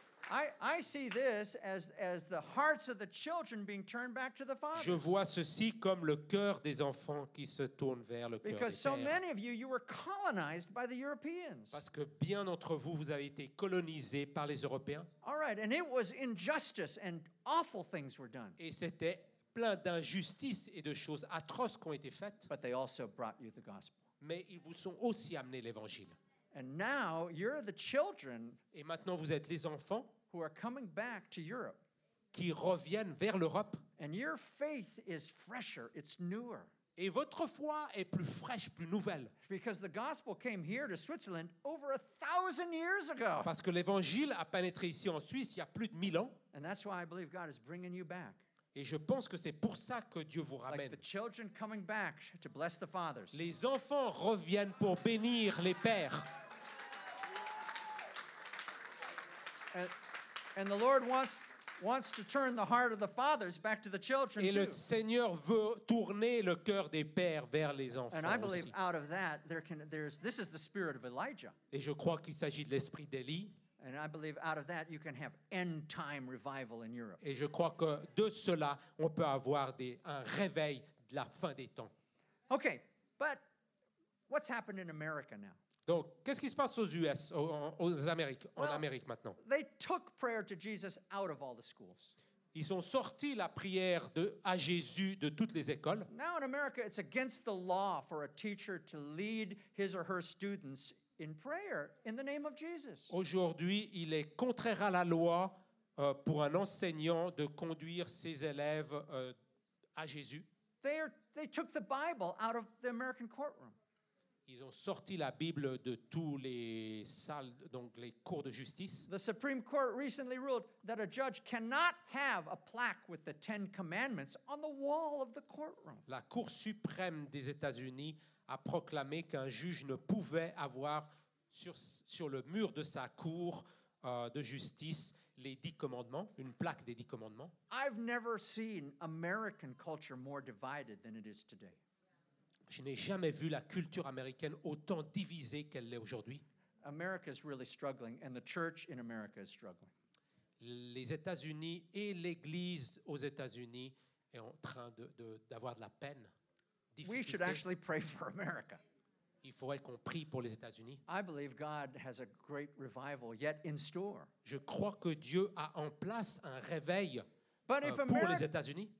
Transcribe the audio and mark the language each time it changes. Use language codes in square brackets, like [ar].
[en] I see this as the hearts of the children being turned back to the fathers. [fr] Je vois ceci comme le cœur des enfants qui se tourne vers le cœur. [en] Because [fr] des [en] so [fr] pères. [en] Many of you were colonized by the Europeans. [fr] Parce que bien d'entre vous avez été colonisés par les Européens. [en] All right, and it was injustice and awful things were done. [fr] Et c'était plein d'injustices et de choses atroces qui ont été faites. [en] But they also brought you the gospel. [fr] Mais ils vous ont aussi amené l'évangile. [en] And now you're the children. [fr] Et maintenant vous êtes les enfants [en] who are coming back to Europe. [fr] Qui reviennent vers l'Europe. [en] And your faith is fresher, it's newer. [fr] Et votre foi est plus fraîche, plus nouvelle. [en] Because the gospel came here to Switzerland over 1,000 years ago. [fr] Parce que l'évangile a pénétré ici en Suisse il y a plus de 1000 ans. [en] And that's why I believe God is bringing you back. [fr] Et je pense que c'est pour ça que Dieu vous ramène. [en] Like the children coming back to bless the fathers. [fr] Les enfants reviennent pour bénir les pères. [en] And the Lord wants to turn the heart of the fathers back to the children too. [fr] Et le Seigneur veut tourner le cœur des pères vers les enfants aussi. [en] And I believe out of that this is the spirit of Elijah. [fr] Et je crois qu'il s'agit de l'esprit d'Élie. [en] And I believe out of that you can have end time revival in Europe. [fr] Et je crois que de cela on peut avoir un réveil de la fin des temps. [en] Okay, but what's happened in America now? [fr] Donc, qu'est-ce qui se passe aux US, en Amérique maintenant? [en] They took prayer to Jesus out of all the schools. [fr] Ils ont sorti la prière à Jésus de toutes les écoles. [en] Now in America, it's against the law for a teacher to lead his or her students in prayer in the name of Jesus. [fr] Aujourd'hui, il est contraire à la loi pour un enseignant de conduire ses élèves à Jésus. [en] They took the Bible out of the American courtroom. [fr] Ils ont sorti la Bible de tous les salles, donc les cours de justice. [en] The Supreme Court recently ruled that a judge cannot have a plaque with the Ten Commandments on the wall of the courtroom. [fr] La Cour suprême des États-Unis a proclamé qu'un juge ne pouvait avoir sur le mur de sa cour de justice les 10 commandements, une plaque des 10 commandements. [en] I've never seen American culture more divided than it is today. [fr] Je n'ai jamais vu la culture américaine autant divisée qu'elle l'est aujourd'hui. [en] America is really struggling and the church in America is struggling. [fr] Les États-Unis et l'église aux États-Unis est en train d'avoir de la peine. [en] We should actually pray for America. [fr] Il faudrait qu'on prie pour les États-Unis. [en] I believe God has a great revival yet in store. [fr] Je crois que Dieu a en place un réveil pour les États-Unis.